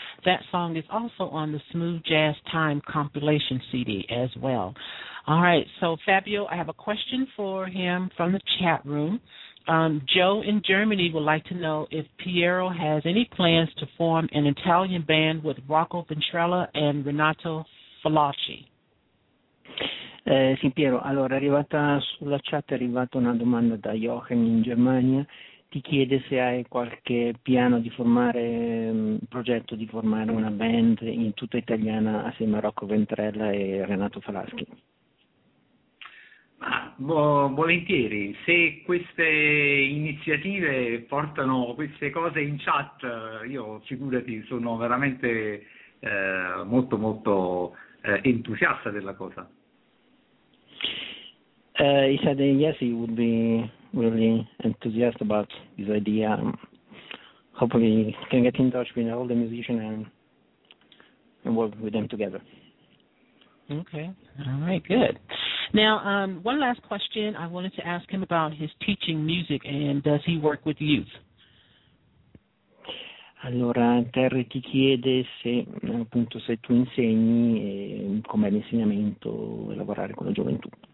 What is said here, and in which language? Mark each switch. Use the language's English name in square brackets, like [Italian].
[English] That song is also on the Smooth Jazz Time compilation CD as well. All right, so Fabio, I have a question for him from the chat room. Joe in Germany would like to know if Piero has any plans to form an Italian band with Rocco Ventrella and Renato Falaci. [Italian] Sì, Piero, allora, arrivata sulla chat è arrivata una domanda da Jochen in Germania. Ti chiede se hai qualche piano di formare, progetto di formare una band in tutta italiana assieme a Rocco Ventrella e Renato Falaschi. Ma Volentieri, se queste iniziative portano queste cose in chat, io figurati sono veramente molto molto entusiasta della cosa. [English] He said yes, he would be really enthusiastic about this idea. Hopefully he can get in touch with all the musicians and work with them together. Okay. All right, good. Now, one last question. I wanted to ask him about his teaching music, and does he work with youth? [Italian] Allora, Terry ti chiede se, appunto, se tu insegni com'è l'insegnamento e lavorare con la gioventù.